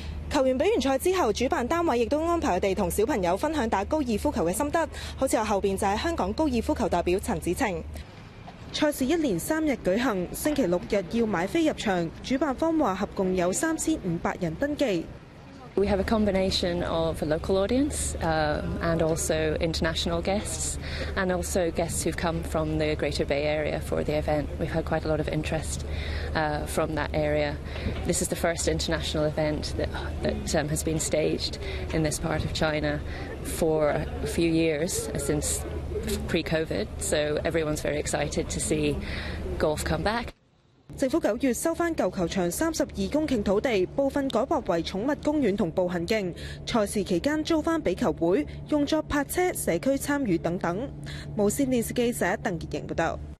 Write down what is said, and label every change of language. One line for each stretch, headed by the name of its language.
Cantonese: 球員比完賽之後，主辦單位亦都安排佢哋同小朋友分享打高爾夫球嘅心得，好似我後邊就係香港高爾夫球代表陳子晴。赛事一连三日举行，星期六日要买飞入场。主办方话合共有3,500人登记。
English: We have a combination of a local audience, and also international guests, and also guests who've come from the Greater Bay Area for the event. We've had quite a lot of interest, from that area. This is the first international event that has been staged in this part of China for a few years since. Pre-COVID, so everyone's very excited to see golf come back.
Cantonese: 政府九月收翻旧球场32公顷土地，部分改划为宠物公园同步行径。赛事期间租翻俾球会，用作泊车、社区参与等等。无线电视记者邓洁莹报道。